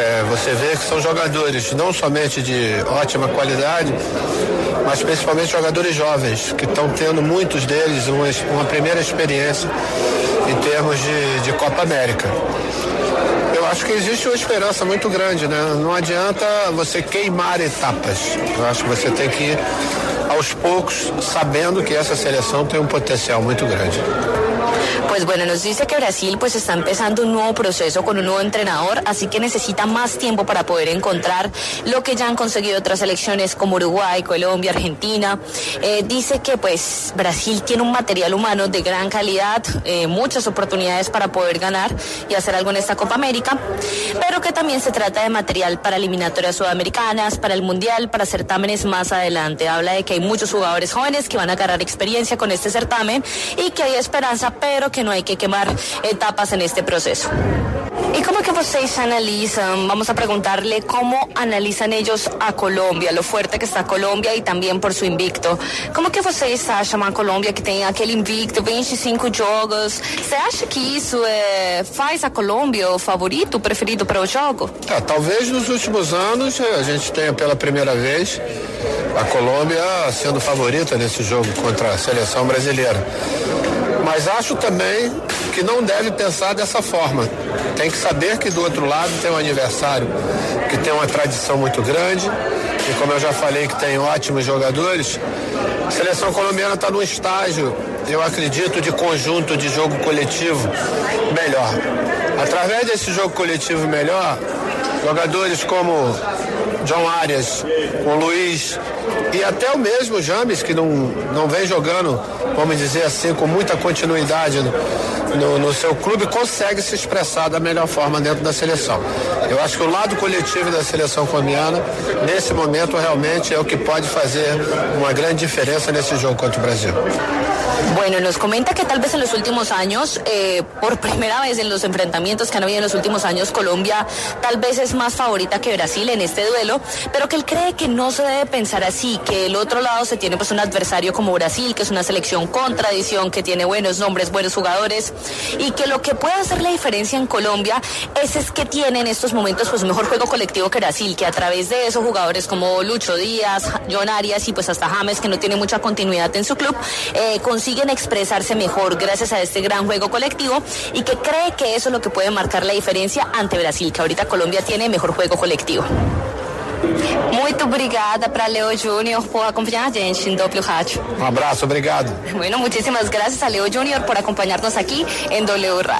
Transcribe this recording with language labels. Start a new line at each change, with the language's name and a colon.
Portuguese: Você vê que são jogadores não somente de ótima qualidade, mas principalmente jogadores jovens, que estão tendo muitos deles uma primeira experiência em termos de Copa América. Acho que existe uma esperança muito grande, né? Não adianta você queimar etapas. Eu acho que você tem que ir aos poucos, sabendo que essa seleção tem um potencial muito grande.
Spanish: Pues bueno, nos dice que Brasil pues está empezando un nuevo proceso con un nuevo entrenador, así que necesita más tiempo para poder encontrar lo que ya han conseguido otras selecciones como Uruguay, Colombia, Argentina. Dice que pues Brasil tiene un material humano de gran calidad, muchas oportunidades para poder ganar y hacer algo en esta Copa América, pero que también se trata de material para eliminatorias sudamericanas, para el Mundial, para certámenes más adelante. Habla de que hay muchos jugadores jóvenes que van a agarrar experiencia con este certamen y que hay esperanza, pero que no hay que quemar etapas en este proceso. ¿Y cómo que ustedes analizan? Vamos a preguntarle cómo analizan ellos a Colombia, lo fuerte que está Colombia y también por su invicto. ¿Cómo que ustedes achan a Colombia que tiene aquel invicto, 25 juegos?
Portuguese: ¿Se acha
Spanish: que eso faz a Colombia o favorito, preferido para el juego?
Portuguese: Talvez nos últimos anos a gente tenha pela primeira vez a Colombia sendo favorita nesse jogo contra a seleção brasileira. Mas acho também que não deve pensar dessa forma. Tem que saber que do outro lado tem um adversário que tem uma tradição muito grande e, como eu já falei, que tem ótimos jogadores. A seleção colombiana está num estágio, eu acredito, de conjunto de jogo coletivo melhor. Através desse jogo coletivo melhor, jogadores como John Arias, o Luiz e até o mesmo James, que não vem jogando, vamos dizer assim, com muita continuidade no seu clube, consegue se expressar da melhor forma dentro da seleção. Eu acho que o lado coletivo da seleção colombiana, nesse momento, realmente é o que pode fazer uma grande diferença nesse jogo contra o Brasil.
Spanish: Bueno, nos comenta que tal vez en los últimos años, por primera vez en los enfrentamientos que han habido en los últimos años, Colombia tal vez es más favorita que Brasil en este duelo, pero que él cree que no se debe pensar así, que del otro lado se tiene pues un adversario como Brasil, que es una selección con tradición, que tiene buenos nombres, buenos jugadores, y que lo que puede hacer la diferencia en Colombia es que tiene en estos momentos pues mejor juego colectivo que Brasil, que a través de esos jugadores como Lucho Díaz, John Arias y pues hasta James, que no tiene mucha continuidad en su club, consiguen expresarse mejor gracias a este gran juego colectivo y que cree que eso es lo que puede marcar la diferencia ante Brasil, que ahorita Colombia tiene mejor juego colectivo.
Portuguese: Muito obrigada para Leo Junior por acompanhar a gente em W Rádio. Um abraço, obrigado.
Spanish: Bueno, muchísimas gracias a Leo Junior por acompañarnos aquí en W Rádio.